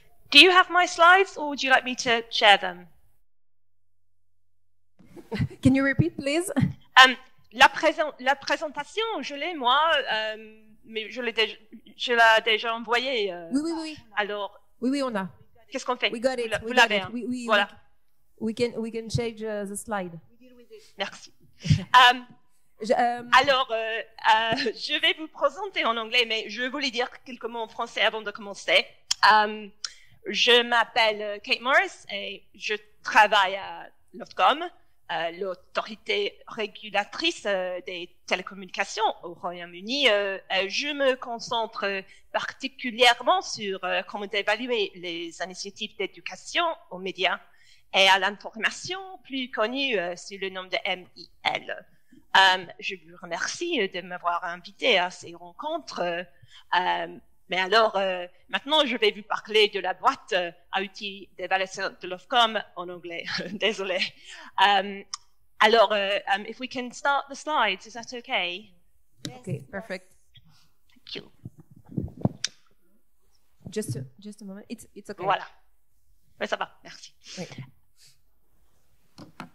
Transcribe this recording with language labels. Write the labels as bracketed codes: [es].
[en] Do you have my slides or would you like me to share them? Can you repeat, please? [fr] La présentation, je l'ai, moi, mais je l'ai déjà envoyée. Oui. Alors, oui, on a. Qu'est-ce qu'on fait? [en] We got it. [fr] Vous l'avez. [en] Voilà. We can change the slide. [fr] Merci. je vais vous présenter en anglais, mais je voulais dire quelques mots en français avant de commencer. Je m'appelle Kate Morris et je travaille à l'Ofcom, l'autorité régulatrice des télécommunications au Royaume-Uni. Je me concentre particulièrement sur comment évaluer les initiatives d'éducation aux médias et à l'information plus connue sous le nom de MIL. Je vous remercie de m'avoir invité à ces rencontres. Mais alors, maintenant, je vais vous parler de la boîte à outils d'évaluation de l'Ofcom en anglais. Désolé. [en] If we can start the slides, is that okay? Okay, perfect. Thank you. Just a moment. It's okay. [fr] Voilà. Mais ça va. Merci. Oui.